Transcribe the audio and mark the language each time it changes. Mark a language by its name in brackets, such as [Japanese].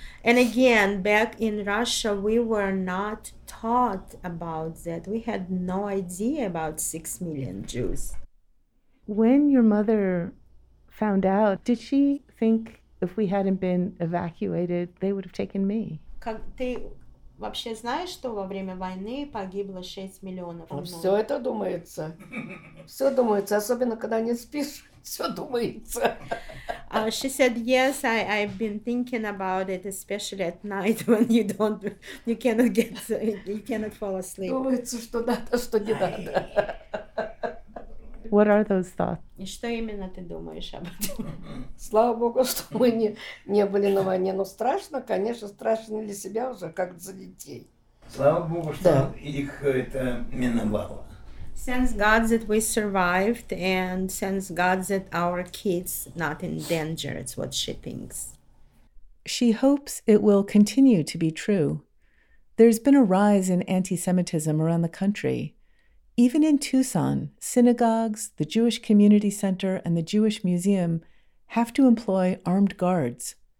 [English] And again, back in Russia, we were not taught about that. We had no idea about 6 million Jews. When your mother found out, did she think if we hadn't been evacuated, they would have taken me? [Russian] Как ты вообще знаешь, что во время войны погибло 6 миллионов? Все это думается. Все думается, особенно когда не спишь. Все думается. [English] She said, yes, I've been thinking about it, especially at night when you cannot fall asleep. [Russian] Думается, что надо, что не надо. [English] What are those thoughts? [Russian] И что именно ты думаешь об этом? Слава богу, что мы не были на войне. Но страшно, конечно, страшно для себя уже, как за детей. Слава богу, что их это миновало. [English] Since God that we survived, and since God that our kids not in danger, it's what she thinks. She hopes it will continue to be true. There's been a rise in anti-Semitism around the country. Even in Tucson, synagogues, the Jewish Community Center, and the Jewish Museum have to employ armed guards.